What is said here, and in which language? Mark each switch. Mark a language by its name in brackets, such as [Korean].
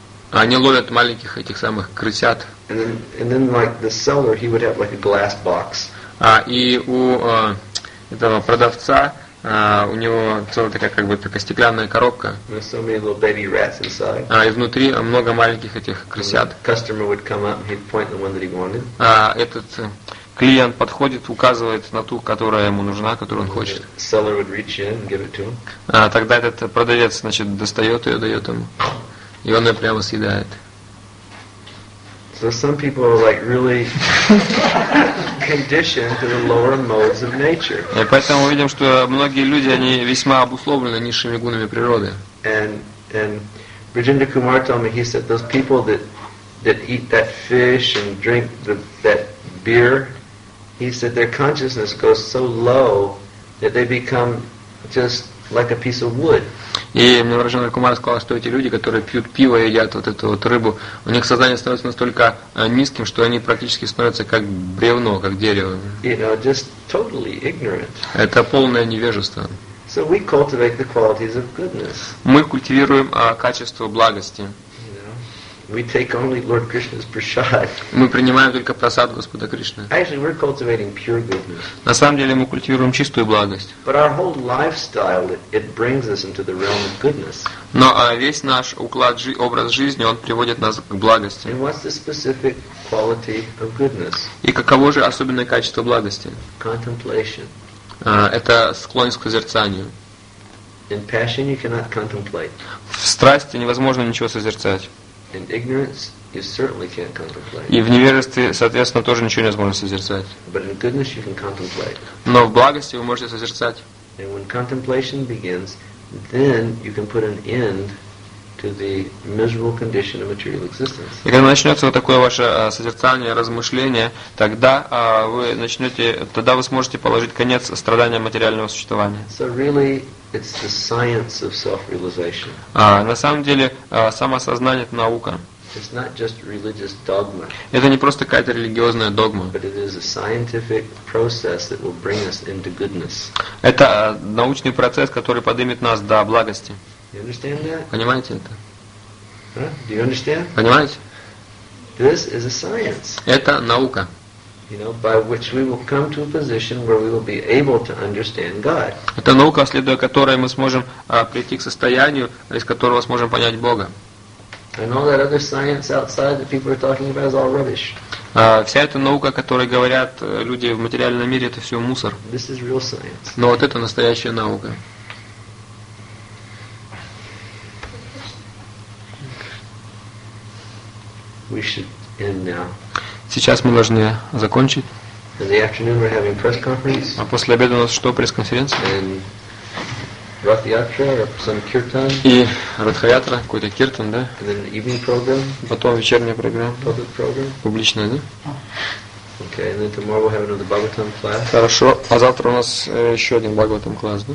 [Russian] Они ловят маленьких этих самых крысят. [English] And then like the seller, he would have like a glass box. [Russian] И у этого продавца у него целая такая как бы такая стеклянная коробка. [English] With so many little baby rats inside. [Russian] И внутри много маленьких этих крысят. [English] Customer would come up and he'd point the one that he wanted. [Russian] Этот клиент подходит, указывает на ту, которая ему нужна, которую он хочет. [English] Seller would reach in and give it to him. [Russian] Тогда этот продавец, значит, достает ее, дает ему. И он ее прямо съедает. [English] So some people are like really conditioned to the lower modes of nature. [Russian] И поэтому мы видим, что многие люди, они весьма обусловлены низшими гунами природы. [English] And Rajendra Kumar told me, he said, those people that eat that fish and drink that beer, he said their consciousness goes so low that they become just like a piece of wood. [Russian] И мне Раджан Кумар сказал, что эти люди, которые пьют пиво и едят вот эту вот рыбу, у них сознание становится настолько низким, что они практически становятся как бревно, как дерево. [English] You know, just totally ignorant. [Russian] Это полное невежество. [English] So we cultivate the qualities of goodness. [Russian] Мы культивируем качество благости. [English] We take only Lord Krishna's prasad. [Russian] Мы принимаем только просад Господа Кришны. [English] Actually, we're cultivating pure goodness. [Russian] На самом деле мы культивируем чистую благость. [English] But our whole lifestyle it brings us into the realm of goodness. [Russian] Но весь наш уклад образ жизни он приводит нас к благости. [English] And what's the specific quality of goodness? [Russian] И каково же особенное качество благости? [English] Contemplation. [Russian] Это склонность к созерцанию. [English] In passion you cannot contemplate. [Russian] В страсти невозможно ничего созерцать. [English] In ignorance, you certainly can't contemplate. [Russian] И в невежестве, соответственно, тоже ничего невозможно созерцать. [English] But in goodness, you can contemplate. [Russian] Но в благости вы можете созерцать. [English] And when contemplation begins, then you can put an end to the miserable condition of material existence. [Russian] И когда начнется вот такое ваше созерцание, размышление, тогда вы начнете, тогда вы сможете положить конец страданиям материального существования. [English] So really, it's the science of self-realization. [Russian] На самом деле, самосознание — это наука. [English] It's not just religious dogma. [Russian] Это не просто какая-то религиозная догма. [English] But it is a scientific process that will bring us into goodness. [Russian] Это научный процесс, который поднимет нас до благости. [English] You understand that? [Russian] Понимаете это? [English] Huh? Do you understand? [Russian] Понимаете? [English] This is a science. [Russian] Это наука. [English] You know, by which we will come to a position where we will be able to understand God. [Russian] Это наука, следуя которой мы сможем прийти к состоянию, из которого сможем понять Бога. [English] And all that other science outside that people are talking about is all rubbish. [Russian] Вся эта наука, о которой говорят люди в материальном мире, это все мусор. [English] This is real science. [Russian] Но вот это настоящая наука. [English] We should end now. [Russian] Сейчас мы должны закончить. [English] In the afternoon we're having press conference. [Russian] А после обеда у нас что, пресс-конференция? [English] And Rathyatra or some kirtan. [Russian] И Радхаятра, какой-то киртан, да? [English] And then evening program. [Russian] Потом вечерняя программа. [English] Public program. [Russian] Публичная, да? [English] Okay, and then tomorrow we'll have another Bhagavatam class. [Russian] Хорошо. А завтра у нас еще один Бхагаватам класс, да?